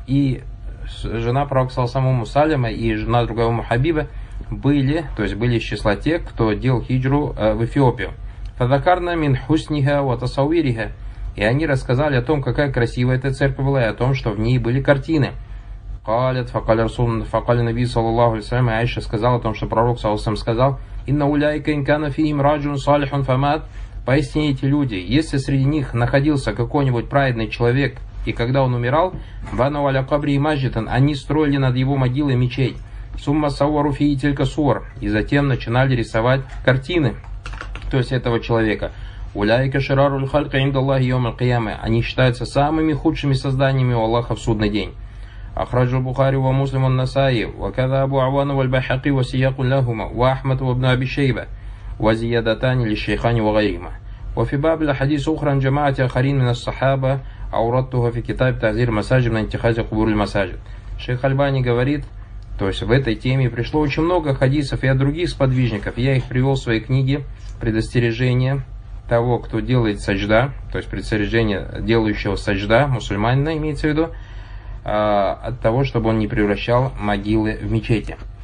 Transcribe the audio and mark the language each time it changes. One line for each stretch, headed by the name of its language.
Russian: И жена пророка саллаллаху алейхи ва саллям и жена другая Ум Хабиба были, то есть были из числа тех, кто делал хиджру в Эфиопию.
Arabic: فذكرنا من حسنها وتصويرها.
Russian: И они рассказали о том, какая красивая эта церковь была, и о том, что в ней были картины.
Arabic: قالت فقال رسول فقال النبي صلى الله عليه وسلم.
Russian: Аиша сказала о том, что пророк саллаллаху алейхи ва саллям сказал:
Arabic: «Инна уляйка инкана фиим раджун салихун фамат».
Russian: Поистине эти люди, если среди них находился какой-нибудь праведный человек, и когда он умирал,
Arabic: «Вану аля кабри и маджитан»,
Russian: они строили над его могилой мечеть.
Arabic: «Сумма саввару фии тилька сувар».
Russian: И затем начинали рисовать картины, то есть этого человека.
Arabic: «Уляйка ширару лхалька инда Аллахи йом аль-кияме».
Russian: Они считаются самыми худшими созданиями у Аллаха в судный день.
Arabic: أخرج البخاري ومسلم والنسائي وكذا أبو عوان والبيهقي وسياق لهما وأحمد وابن أبي شيبة وزيادتان للشيخان وغيرهما وفي باب الأحاديث أخرى جماعة آخرين من الصحابة أوردتها في كتاب تعزير المساجد من اتخاذ قبور المساجد.
Russian: Шейх Альбани говорит, то есть в этой теме пришло очень много хадисов и от других сподвижников. Я их привел в своей книге «Предостережение того, кто делает саджда», то есть предостережение делающего саджда, мусульманина имеется в виду, от того, чтобы он не превращал могилы в мечети.